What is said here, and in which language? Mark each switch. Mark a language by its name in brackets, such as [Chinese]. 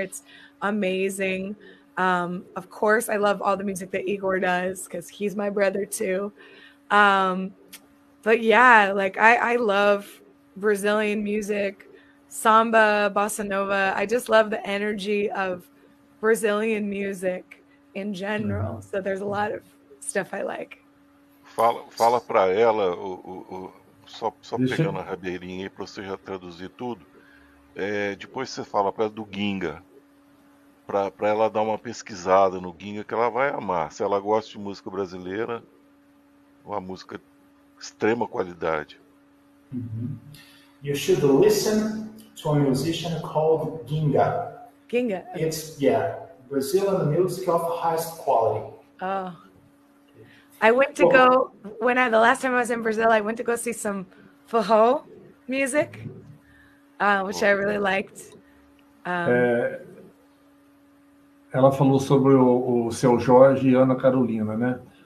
[English] It's amazing. Of course, I love all the music that Igor does because he's my brother too. But yeah, like I love Brazilian music, samba, bossa nova. I just love the energy of Brazilian music in general. Uhum. So there's a lot of stuff I like. [Portuguese] Fala para ela, só pegando a rabeirinha aí para você já traduzir tudo. É, depois você fala para ela do Ginga, para ela dar uma pesquisada no Ginga, que ela vai amar. Se ela gosta de música brasileira, uma música de extrema qualidade. Uhum. [English] You should listen to a musician called Ginga. Ginga. It's, yeah, Brazilian music of highest quality. Oh. I went to the last time I was in Brazil, I went to go see some forró music, which I really liked. [Portuguese] Ela falou sobre o Seu Jorge e Ana Carolina, né?